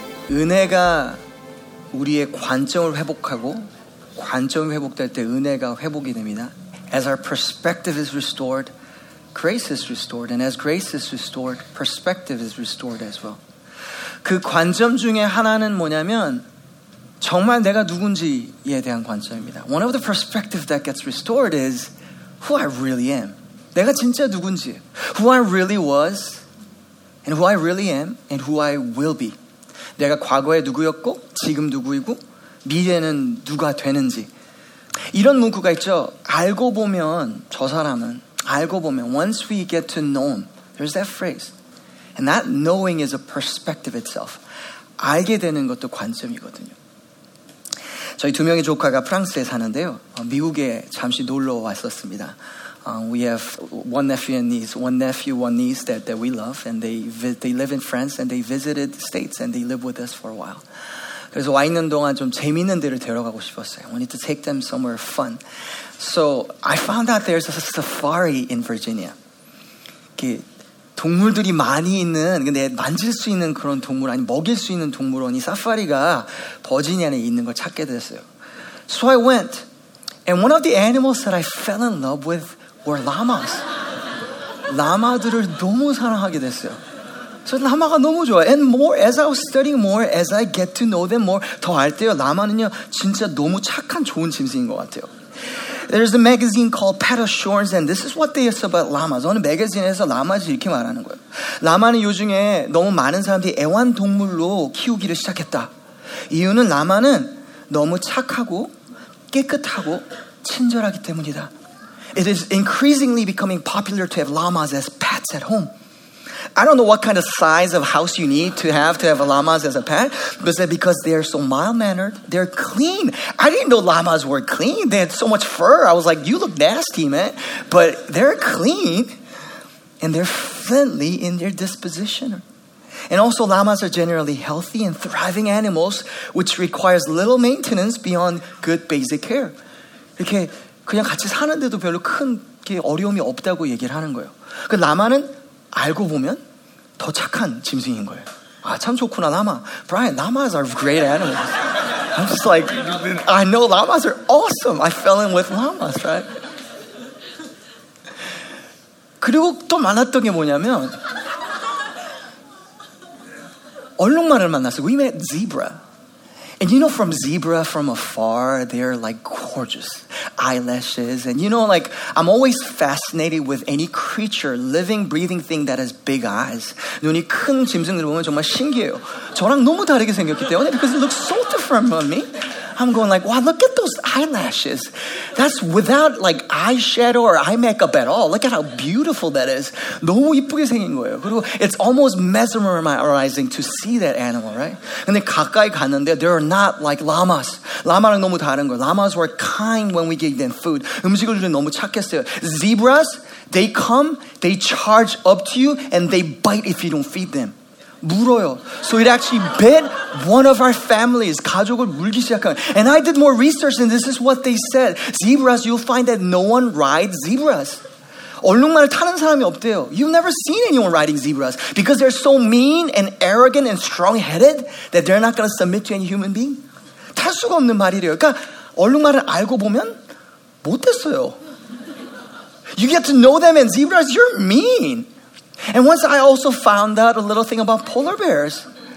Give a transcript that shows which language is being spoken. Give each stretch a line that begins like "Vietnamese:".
Korean: 은혜가 우리의 관점을 회복하고 관점이 회복될 때 은혜가 회복이 됩니다.
English: As our perspective is restored, grace is restored. And as grace is restored, perspective is restored as well.
Korean: 그 관점 중에 하나는 뭐냐면 정말 내가 누군지에 대한 관점입니다.
English: One of the perspectives that gets restored is who I really am.
Korean: 내가 진짜 누군지.
English: Who I really was, and who I really am, and who I will be.
Korean: 내가 과거에 누구였고, 지금 누구이고, 미래는 누가 되는지. 이런 문구가 있죠. 알고 보면, 저 사람은, 알고 보면,
English: once we get to know him, there's that phrase. And that knowing is a perspective itself.
Korean: 알게 되는 것도 관점이거든요. 저희 두 명의 조카가 프랑스에 사는데요. 미국에 잠시 놀러 왔었습니다.
English: We have one nephew and niece, one nephew, one niece that we love, and they live in France, and they visited the States, and they live with us for a while.
Korean: 그래서 와 있는 동안 좀 재밌는 데를 데려가고 싶었어요.
English: I wanted to take them somewhere fun. So I found out there's a safari in Virginia.
Korean: 동물들이 많이 있는, 근데 만질 수 있는 그런 동물, 아니 먹일 수 있는 동물원이 사파리가 버지니아에 있는 걸 찾게 됐어요.
English: So I went, and one of the animals that I fell in love with were llamas.
Korean: 라마들을 너무 사랑하게 됐어요. 저 라마가 너무 좋아요.
English: And more, as I was studying more, as I get to know them more,
Korean: 더 알 때요, 라마는요, 진짜 너무 착한 좋은 짐승인 것 같아요.
English: There's a magazine called Pet Assurance, and this is what they say about llamas.
Korean: 어느 매거진에서 라마를 이렇게 말하는 거예요. 라마는 요즘에 너무 많은 사람들이 애완동물로 키우기를 시작했다. 이유는 라마는 너무 착하고 깨끗하고 친절하기 때문이다.
English: It is increasingly becoming popular to have llamas as pets at home. I don't know what kind of size of house you need to have llamas as a pet, but because they are so mild-mannered, they're clean. I didn't know llamas were clean. They had so much fur. I was like, you look nasty, man. But they're clean, and they're friendly in their disposition. And also, llamas are generally healthy and thriving animals, which requires little maintenance beyond good basic care.
Korean: 이렇게 그냥 같이 사는데도 별로 큰 게 어려움이 없다고 얘기를 하는 거예요. 그 라마는 알고 보면 더 착한 짐승인 거예요. 아, 참 좋구나, 라마.
English: Brian, llamas are great animals. I'm just like, I know llamas are awesome. I fell in with llamas, right?
Korean: 그리고 또 만났던 게 뭐냐면 얼룩말을 만났어요.
English: We met zebra. And you know from zebra from afar, they're like gorgeous eyelashes. And you know, like, I'm always fascinated with any creature, living, breathing thing that has big eyes.
Korean: 눈이 큰 짐승들 보면 정말 신기해요. 저랑 너무 다르게 생겼기 때문에
English: because it looks so different from me. I'm going like, wow, look at those eyelashes. That's without like eyeshadow or eye makeup at all. Look at how beautiful that is.
Korean: 너무 이쁘게 생긴 거예요. 그리고
English: it's almost mesmerizing to see that animal, right?
Korean: 근데 가까이 갔는데
English: they are not like llamas.
Korean: 라마랑 너무 다른 거예요.
English: Llamas were kind when we gave them food.
Korean: 음식을 주는 너무 착했어요.
English: Zebras, they come, they charge up to you, and they bite if you don't feed them.
Korean: 물어요.
English: So it actually bit one of our families.
Korean: 가족을 물기 시작한.
English: And I did more research and this is what they said. Zebras, you'll find that no one rides zebras.
Korean: 얼룩말을 타는 사람이 없대요.
English: You've never seen anyone riding zebras because they're so mean and arrogant and strong-headed that they're not going to submit to any human being.
Korean: 탈 수가 없는 말이래요. 그러니까 얼룩말을 알고 보면 못했어요.
English: You get to know them and zebras, you're mean. And once I also found out a little thing about polar bears.